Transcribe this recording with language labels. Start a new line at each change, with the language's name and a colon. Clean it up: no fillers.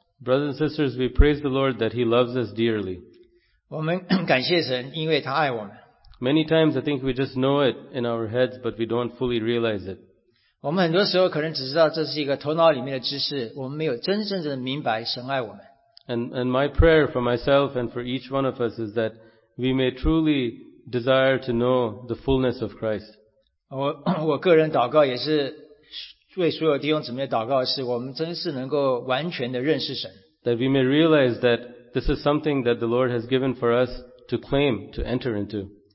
English: Brothers and sisters, we praise the Lord that He loves us dearly.
Chinese: 我们感谢神，因为他爱我们。
English: Many times I think we just know it in our heads, but we don't fully realize it.
Chinese: 我们很多时候可能只知道这是一个头脑里面的知识，我们没有真正的明白神爱我们。
English: And my prayer for myself and for each one of us is that we may truly desire to know the fullness of Christ.
Chinese: 我个人祷告也是为所有弟兄姊妹祷告，是我们真是能够完全的认识神。
English: That we may realize that this is something that the Lord has given for us to claim, to enter into.